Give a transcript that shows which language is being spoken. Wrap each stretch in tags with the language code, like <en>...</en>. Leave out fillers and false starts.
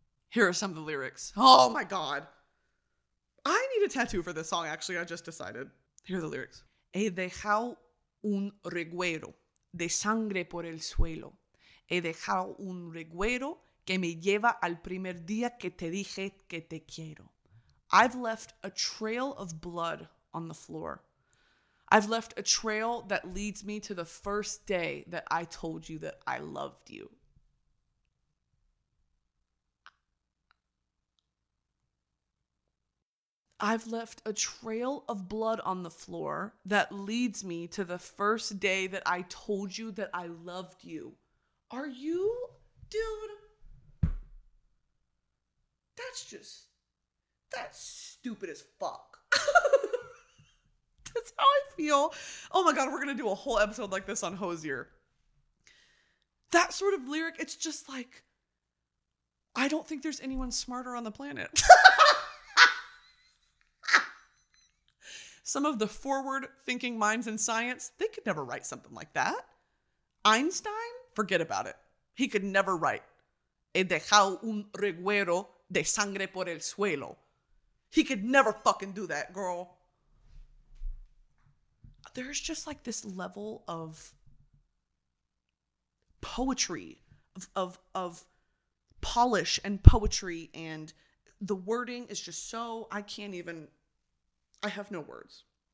<en>Here are some of the lyrics. Oh my God. I need a tattoo for this song, actually. I just decided. Here are the lyrics.</en> <es>He dejado un reguero de sangre por el suelo. He dejado un reguero que me lleva al primer día que te dije que te quiero.</es> <en>I've left a trail of blood on the floor. I've left a trail that leads me to the first day that I told you that I loved you. I've left a trail of blood on the floor that leads me to the first day that I told you that I loved you. Are you, dude? That's stupid as fuck. That's how I feel. Oh my God, we're gonna do a whole episode like this on Hozier. That sort of lyric, it's just like, I don't think there's anyone smarter on the planet. Some of the forward thinking minds in science, they could never write something like that. Einstein, forget about it. He could never write.</en> <es>He dejado un reguero de sangre por el suelo.</es> <en>He could never fucking do that, girl. There's just like this level of poetry, of polish and poetry, and the wording is just so, I have no words.</en>